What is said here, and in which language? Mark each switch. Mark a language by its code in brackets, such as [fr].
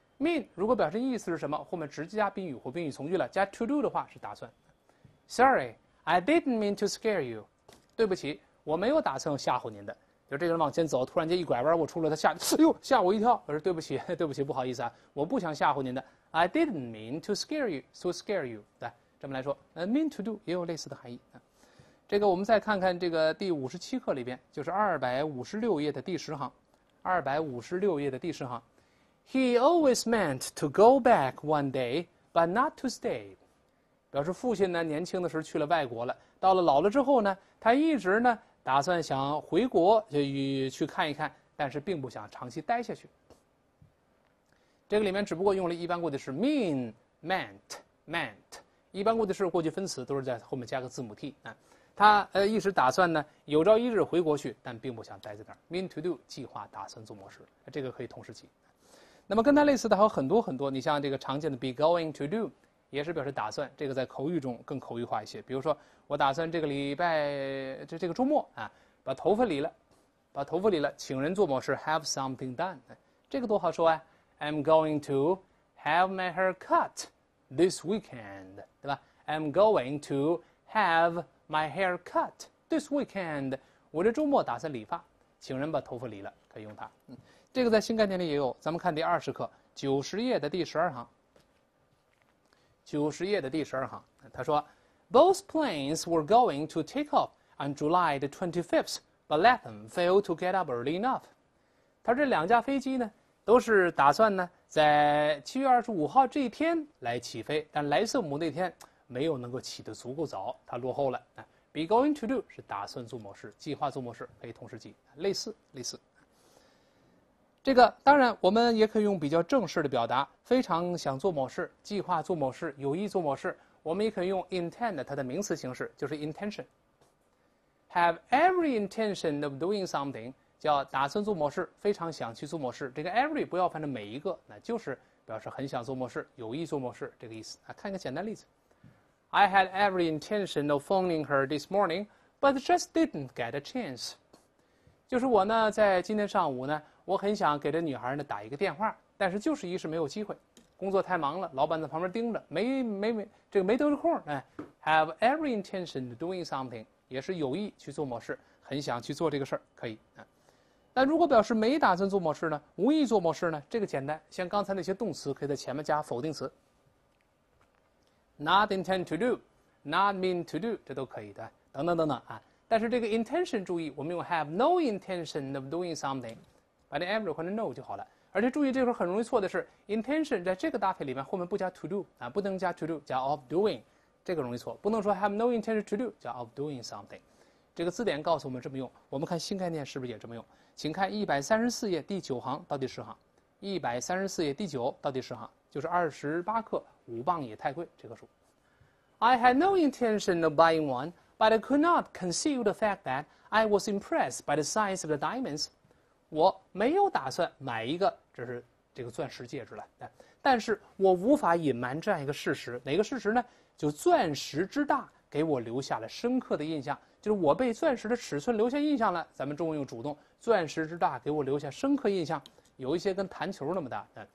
[zh] mean 如果表示意思是什么，后面直接加宾语或宾语从句了，加 to do 的话是打算。 [en] Sorry, I didn't mean to scare you。 [zh] 对不起，我没有打算吓唬您的。就这个人往前走，突然间一拐弯，我出来，他吓，哎呦，吓我一跳。我说对不起，对不起，不好意思啊，我不想吓唬您的。 [en] I didn't mean to scare you, to scare you。 [zh] 对。这么来说，mean to do 也有类似的含义啊。这个我们再看看这个第57课里边，就是256页的第十行，256页的第十行。 [en] He always meant to go back one day, but not to stay。 [zh] 表示父亲呢，年轻的时候去了外国了，到了老了之后呢，他一直呢打算想回国去看一看，但是并不想长期待下去。这个里面只不过用了一般过去式 mean meant meant。一般过去式、过去分词都是在后面加个字母 t 啊，他一直打算呢，有朝一日回国去，但并不想待在那儿。 mean to do 计划、打算、做模式，这个可以同时记。那么跟他类似的还有很多很多，你像这个常见的 be going to do， 也是表示打算，这个在口语中更口语化一些。比如说，我打算这个礼拜这个周末啊，把头发理了，把头发理了，请人做模式 have something done， 这个多好说啊 ， [en] I'm going to have my hair cut。 This weekend, [zh] 对吧 [en] ？I'm going to have my hair cut this weekend. [zh] 我这周末打算理发，请人把头发理了，可以用它。这个在新概念里也有。咱们看第20课90页的第12行。 90页的第12行，他说 [en] ，Both planes were going to take off on July the 25th, but Latham failed to get up early enough. [zh] 他这两架飞机呢，都是打算呢在7月25号这一天来起飞，但莱瑟姆那天没有能够起得足够早，它落后了。 Be going to do 是打算做某事，计划做某事，可以同时记，类似。这个当然，我们也可以用比较正式的表达，非常想做某事，计划做某事，有意做某事。我们也可以用 intend 它的名词形式，就是 intention。Have every intention of doing something 叫打算做某事，非常想去做某事。这个 every 不要翻成每一个，那就是表示很想做某事，有意做某事这个意思。看一个简单例子。 [en] I had every intention of phoning her this morning, but just didn't get a chance. [zh] 就是我呢，在今天上午呢，我很想给这女孩呢打一个电话，但是就是一时没有机会，工作太忙了，老板在旁边盯着，没得空。 Have every intention of doing something 也是有意去做某事，很想去做这个事儿，可以。但如果表示没打算做某事呢，无意做某事呢，这个简单，像刚才那些动词，可以在前面加否定词。 [en] Not intend to do, not mean to do， [zh] 这都可以的，等等等等啊。但是这个 intention 注意，我们用 have no intention of doing something，把那 every 换成 no 就好了。而且注意，这会儿很容易错的是 intention 在这个搭配里面后面不加 to do 啊，不能加 to do，加 of doing，这个容易错。不能说 have no intention to do，加 of doing something。这个字典告诉我们这么用，我们看新概念是不是也这么用？请看134页第九行到底十行，134页第九到底十行。就是28克，5磅也太贵。这棵树。 [en] I had no intention of buying one, but I could not conceal the fact that I was impressed by the size of the diamonds. [zh] 我没有打算买一个，这是这个钻石戒指了。但是我无法隐瞒这样一个事实，哪个事实呢？就钻石之大给我留下了深刻的印象，就是我被钻石的尺寸留下印象了。咱们中文用主动，钻石之大给我留下深刻印象，有一些跟弹球那么大。